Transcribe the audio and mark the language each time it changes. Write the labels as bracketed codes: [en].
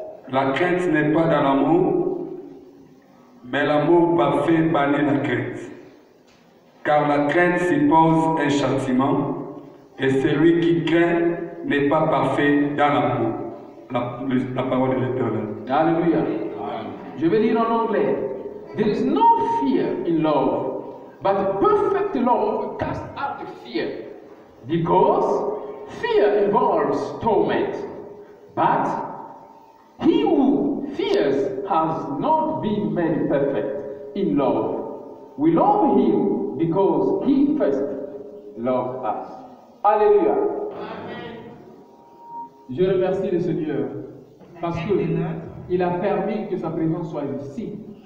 [fr] La crainte n'est pas dans l'amour, mais l'amour parfait bannit la crainte. Car la crainte suppose un châtiment, et celui qui craint n'est pas parfait dans l'amour. La parole de l'Éternel. Alléluia. Je vais dire en anglais. [en] There is no fear in love, but perfect love casts out the fear. Because fear involves torment. But he who fears has not been made perfect in love. We love him because he first loved us. [fr] Alléluia. Amen. Je remercie le Seigneur parce qu'il a permis que sa présence soit ici.